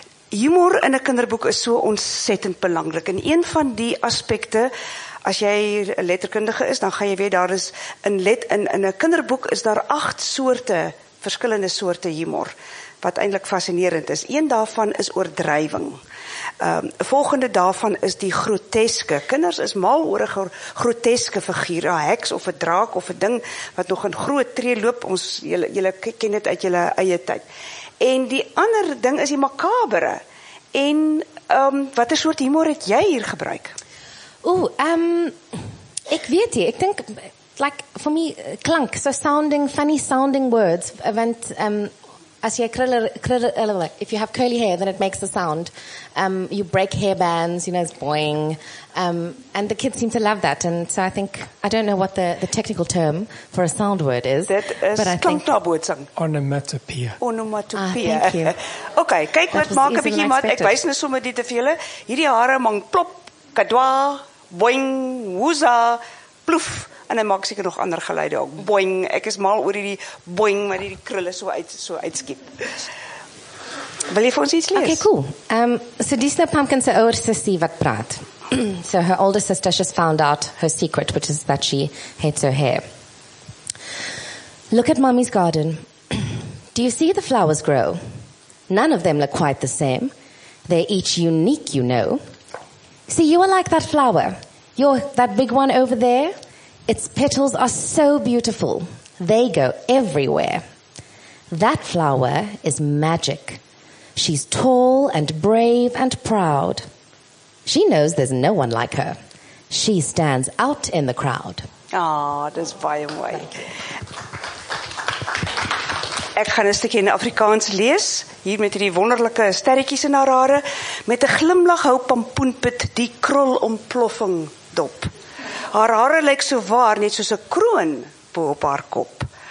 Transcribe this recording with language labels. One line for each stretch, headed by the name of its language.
Afrikaans: Humor in 'n kinderboek is so ontsettend belangrik. En een van die aspekte, as jy 'n letterkundige is, dan gaan jy weet daar is in 'n kinderboek is daar 8 soorte, verskillende soorte humor, wat eintlik fascinerend is. Een daarvan is oordrywing. Volgende daarvan is die groteske. Kinders is mal oor 'n groteske figuur, 'n heks of 'n draak of 'n ding wat nog in groot tree loop. Ons julle ken dit uit julle eie tyd. En die ander ding is die makabere. En watter soort humor het jy hier gebruik? Ek weet nie. Ek dink,
English: like, for me, klank, so sounding, funny sounding words, want as you if you have curly hair, then it makes a sound. You break hair bands, you know, it's boing. And the kids seem to love that. And so I think, I don't know what the technical term for a sound word is. That is but I think onomatopoeia. Onomatopoeia. Ah, thank you.
Afrikaans: Okay, kyk wat maak 'n bietjie maar ek wys net sommer dit te vir julle. Hierdie hare mang plop, kadwa, boing, woza, ploef. En hy maak seker nog ander geluide ook. Boing, ek is mal oor hierdie boing, maar hierdie krulle so uitskiep. Wil jy vir ons iets lees? Okay, cool. So dis nou Pumpkin se ouer sussie wat praat.
English: So her older sister just found out her secret, which is that she hates her hair. Look at mommy's garden. Do you see the flowers grow? None of them look quite the same. They're each unique, you know. See, you are like that flower. You're that big one over there. Its petals are so beautiful. They go everywhere. That flower is magic. She's tall and brave and proud. She knows there's no one like her. She stands out in the crowd.
Afrikaans: Ah, dis baie mooi. Ek gaan 'n stukkie in Afrikaans lees, hier met hierdie wonderlike sterretjies in haar hare, met 'n glimlag hou pampoenpit die krul ontploffing dop. Haar hare lyk so waar, net soos 'n kroon bo op haar kop.